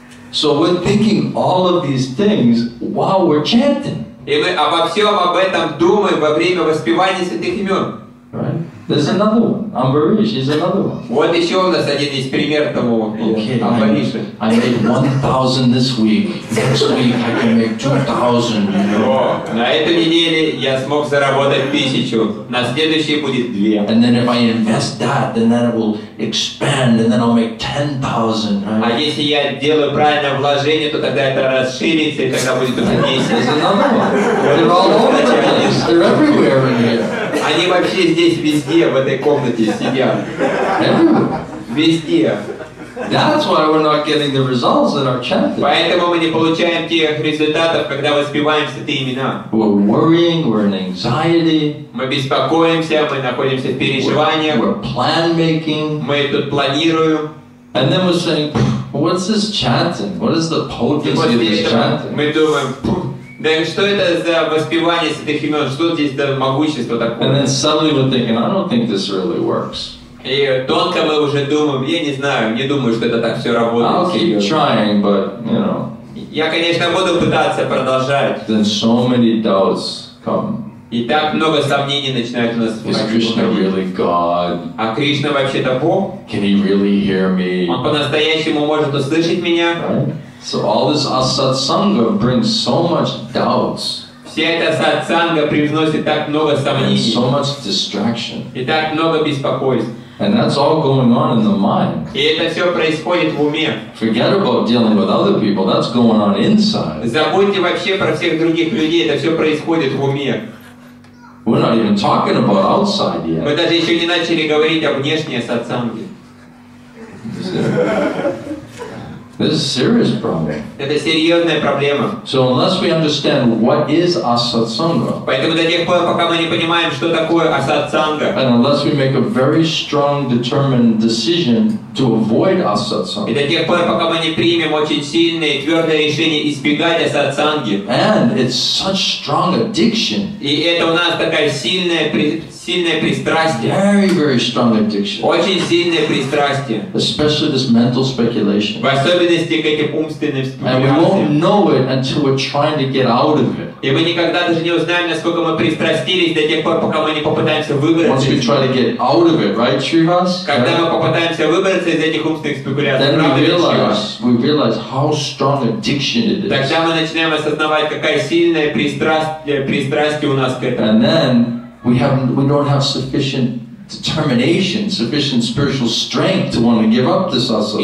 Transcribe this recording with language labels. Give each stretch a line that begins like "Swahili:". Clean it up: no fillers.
English: So we're thinking all of these things while we're chanting.
Russian: И мы обо всем об этом думаем во время воспевания святых имен.
English: Right? There's another one. Амбариш is another one.
Russian: Вот еще у нас один из примеров того. Амбариша.
English: I made 1,000 this week. Next week I can make 2,000.
Russian: На эту неделю я смог заработать 1,000. На следующей будет 2.
English: And then if I invest that, then that will expand, and then I'll make 10,000.
Russian: А если я делаю правильное вложение, то тогда это расширится, и тогда будет уже 10.
English: There's another one. They're all over the place. They're everywhere in here.
Russian: Они вообще здесь везде, в этой комнате сидят. Везде.
English: That's why we're not getting the results in our chanting.
Russian: Поэтому мы не получаем тех результатов, когда воспеваем святые имена.
English: We're worrying, we're in anxiety.
Russian: Мы беспокоимся, мы находимся в переживаниях.
English: We're plan making.
Russian: Мы тут планируем.
English: And then we're saying, what's this chanting? What is the potency of this chanting?
Russian: Мы думаем, да что это за воспевание святых имен? Что здесь за могущество такое?
English: And then suddenly we're thinking, I don't think this really works.
Russian: И тонко мы уже думаем, я не знаю, не думаю, что это так все работает.
English: I'll keep trying, but, you know.
Russian: Я, конечно, буду пытаться продолжать.
English: Then so many doubts come.
Russian: И так много сомнений начинает у нас возникать.
English: Is Krishna really God?
Russian: А Кришна вообще-то Бог?
English: Can he really hear me?
Russian: Он по-настоящему может услышать меня?
English: Right? So all this asatsanga brings so much doubts.
Russian: Вся эта сатсанга привносит так много сомнений.
English: And so much distraction.
Russian: И так много беспокойств.
English: And that's all going on in the mind.
Russian: И это все происходит в уме.
English: Forget about dealing with other people. That's going on inside.
Russian: Забудьте вообще про всех других людей. Это все происходит в уме.
English: We're not even talking about outside yet.
Russian: Мы даже еще не начали говорить о внешней сатсанге.
English: This is a serious problem.
Russian: Это серьезная проблема.
English: So unless we understand what is asatsanga,
Russian: поэтому до тех пор, пока мы не понимаем, что такое асатсанга,
English: and unless we make a very strong, determined decision to avoid asatsanga,
Russian: и до тех пор, пока мы не примем очень сильное, твердое решение избегать асатсанги,
English: and it's such strong addiction,
Russian: и это у нас такая сильное пристрастие.
English: Very, very strong addiction.
Russian: Очень сильное пристрастие.
English: Especially this mental speculation.
Russian: В особенности к этим умственным спекуляциям.
English: And we won't know it until we're trying to get out of it.
Russian: И мы никогда даже не узнаем, насколько мы пристрастились до тех пор, пока мы не попытаемся выбраться.
English: Once we try to get out of it, right, Shrivas?
Russian: Когда
English: right?
Russian: мы попытаемся выбраться из этих умственных спекуляций,
English: we realize how strong addiction it is.
Russian: Тогда мы начинаем осознавать, какая сильная пристрастие у нас к этому.
English: And then, We don't have sufficient determination, sufficient spiritual strength to want to give up this asatsanga.